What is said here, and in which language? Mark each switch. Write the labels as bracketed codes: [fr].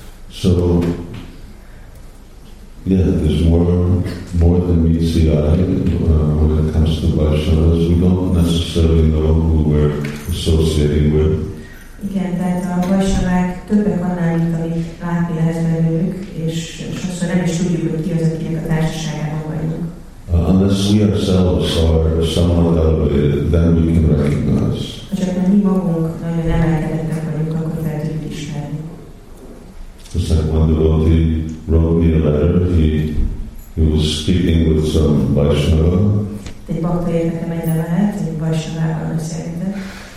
[en] So Yeah, there's more than meets the eye when it comes to Vaishnavas. We don't necessarily know who we're associating with. [hu] Igen, tehát a Vaishnavák többek annál, mint amit látni lehet belőlük, és sokszor nem is tudjuk, hogy ki az, akinek a társaságában vagyunk. [en] Unless we ourselves are somewhat elevated, then we can recognize. [hu] Ha csak mi magunk nagyon emelkedettek vagyunk, akkor fel tudjuk ismerni. [en] Just like one devotee wrote me a letter, he was speaking with some Vaishnava. [hu] Egy bakta értettem egy levelet, egy Vaishnavával beszélgetett.